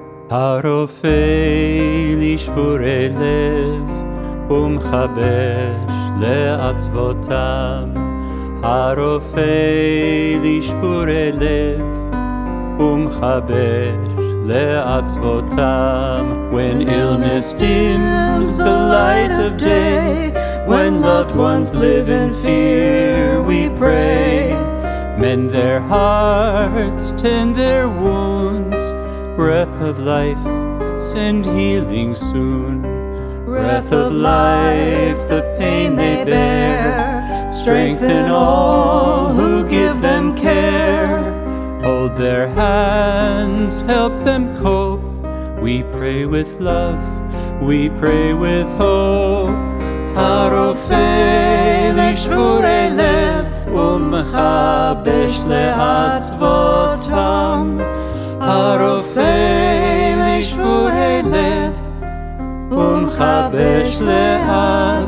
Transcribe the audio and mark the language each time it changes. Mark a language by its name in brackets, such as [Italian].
[Hebrew] הרופא לשבורי לב ומחבש לעצבותם. הרופא לשבורי לב ומחבש לעצבותם. [English] When illness dims the light of day, when loved ones live in fear, we pray. Mend their hearts, tend their wounds, breath of life, send healing soon. Breath of life, the pain they bear, strengthen all who give them care. Hold their hands, help them cope. We pray with love, we pray with hope. [Hebrew] הרופא לשבורי לב ומחבש לעצבותם. הרופא לשבורי לב ומחבש לעצבותם.